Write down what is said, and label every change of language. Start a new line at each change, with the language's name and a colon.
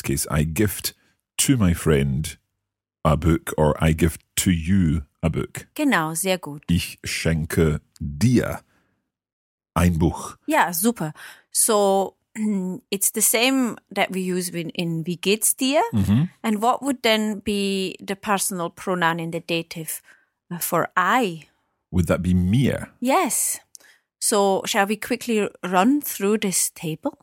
English: I gift to my friend a book, or I gift to you a book.
German: Genau, sehr gut. Ich schenke dir ein Buch.
English: Yeah, super. So it's the same that we use in
German: wie geht's dir? Mm-hmm.
English: And what would then be the personal pronoun in the dative for I? Would that be mir? Yes. So shall we quickly run through this table?